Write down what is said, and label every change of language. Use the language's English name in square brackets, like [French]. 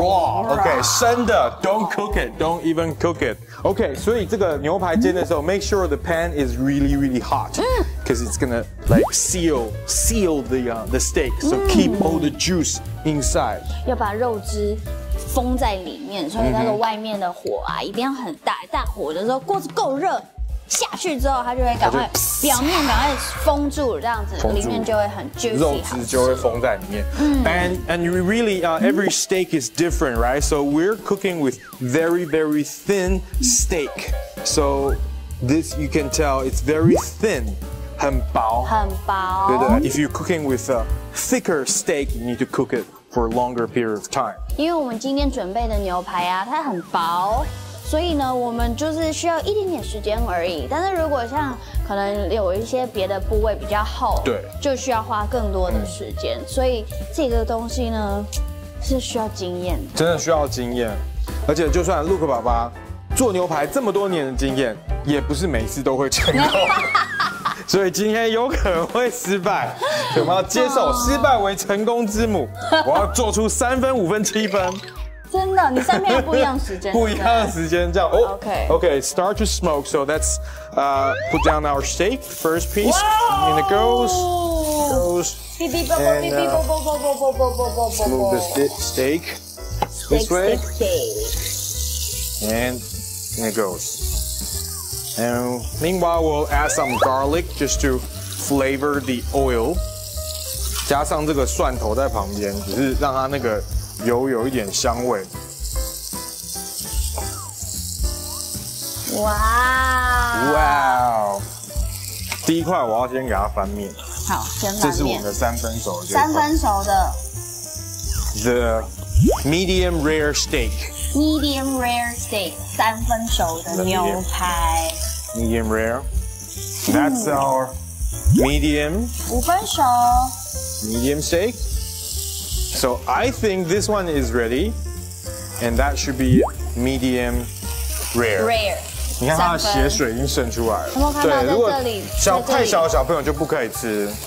[English] Raw, OK, [Chinese] 生的 [English] ，Don't cook it, don't even cook it. OK, [Chinese] 所以这个牛排煎的时候 [English] ，make sure the pan is really, really hot, because it's gonna like seal the steak. So keep all the juice inside. [Chinese] 要把肉汁封在里面，所以那个外面的火啊一定要很大，大火的时候锅子够热，下去之后它就会赶快表面赶快封住，这样子里面就会很 juicy，肉汁就会封在里面。 [English] And we really every steak is different, right? So we're cooking with very very thin steak. So this you can tell it's very thin， [Chinese] 很薄，很薄。对的 [English] ，If you're cooking with a thicker steak, you need to cook it. For a longer period of time. [Chinese] 因为我们今天准备的牛排啊，它很薄，所以呢，我们就是需要一点点时间而已。但是如果像可能有一些别的部位比较厚，对，就需要花更多的时间。嗯、所以这个东西呢，是需要经验的，真的需要经验。而且就算 Luke 爸爸做牛排这么多年的经验，也不是每次都会成功。所以今天有可能会失败，我们要接受失败为成功之母。我要做出三分、五分、七分。真的，你三遍不一样时间。不一样的时间，这样。 [English] OK。 Start to smoke. So that's put down our steak, first piece. And it goes. Goes. And move the steak this way. And it goes. And meanwhile, we'll add some garlic just to flavor the oil. [Chinese] 加上这个蒜头在旁边，只是让它那个油有一点香味。哇！哇！第一块我要先给它翻面。好，先翻面。这是我们的三分熟的。三分熟的。 [English] The medium rare steak. Medium rare steak， [Chinese] 三分熟的牛排。 [English] Medium rare. That's our medium. [Chinese] 五分熟 [English] Medium steak. So I think this one is ready, and that should be medium rare. Rare. [Chinese] 你看它的血水已经渗出来了。有没有看到？对，如果小太小的小朋友就不可以吃。